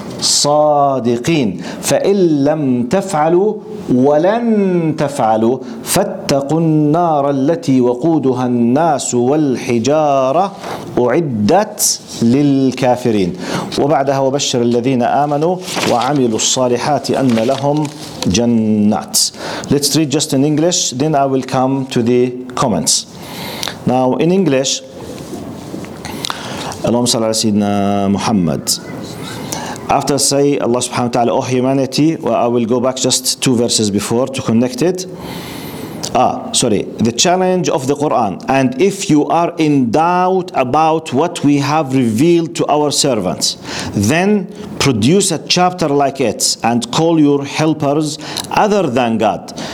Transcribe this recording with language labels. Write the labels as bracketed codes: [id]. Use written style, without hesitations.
[ar] صادقين فإن لم تفعلوا ولن تفعلوا فاتقوا النار التي وقودها الناس والحجارة أعدت للكافرين وبعدها وبشر الذين آمنوا وعملوا الصالحات أن لهم جنات. [en] Let's read just in English, then I will come to the comments. Now in English, [ar] اللهم صل على سيدنا محمد. [en] After say Allah subhanahu wa ta'ala, oh humanity, well, I will go back just two verses before to connect it. The challenge of the Quran. And if you are in doubt about what we have revealed to our servants, then produce a chapter like it and call your helpers other than God.